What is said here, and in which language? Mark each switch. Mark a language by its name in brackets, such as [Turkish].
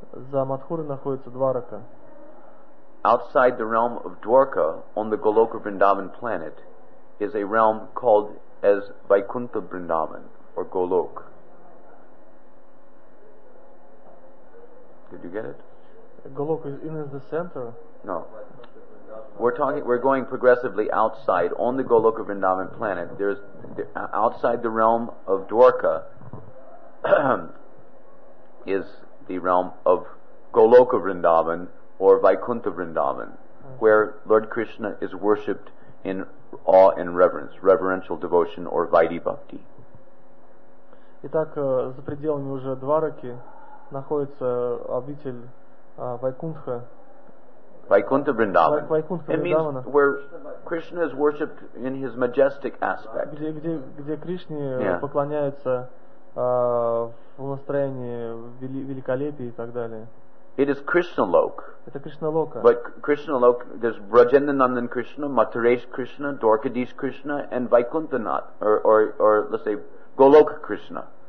[Russian] За Матхурой находится Дварака. [English] Outside the realm of Dwarka, on the Goloka Vrindavan planet, is a realm called as Vaikuntha Vrindavan or Golok. Did you get it? Golok is in the center. No. We're going progressively outside. On the Goloka Vrindavan planet, there's outside the realm of Dwarka is the realm of Goloka Vrindavan or Vaikuntha Vrindavan, where Lord Krishna is worshipped in awe and reverence, reverential devotion or Vaidhi Bhakti. [Russian] Итак, за пределами уже Двараки находится обитель Вайкунтха. [English] Vaikuntha Vrindavan. Vaikuntha it means where Krishna is worshipped in his majestic aspect. [Russian] Где Кришне поклоняется в настроении великолепия и так далее. [English] It is Krishna Lok. [Russian] Это Кришна Лока. [English] But Krishna Lok, there's Brajendra Nandan Krishna, Mathuresh Krishna, Dwarkadish Krishna, and Vaikunthanath, or let's say Golok Krishna.